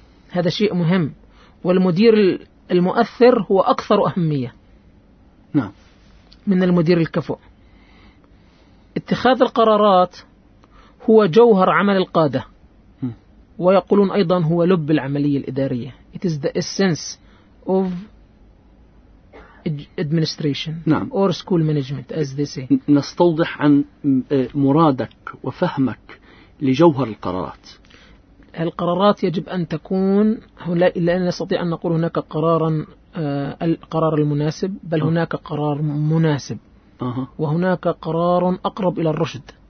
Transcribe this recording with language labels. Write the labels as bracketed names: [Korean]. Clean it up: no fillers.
[Arabic] هذا شيء مهم، والمدير المؤثر هو أكثر أهمية. نعم، من المدير الكفؤ. اتخاذ القرارات هو جوهر عمل القادة، ويقولون أيضا هو لب العملية الإدارية. [English] It is the essence of administration. [Arabic] نعم. [English] Or school management as they say. [Arabic] نستوضح عن مرادك وفهمك لجوهر القرارات. القرارات يجب أن تكون، لا نستطيع أن نقول هناك قرارا القرار المناسب، بل هناك قرار مناسب وهناك قرار أقرب إلى الرشد.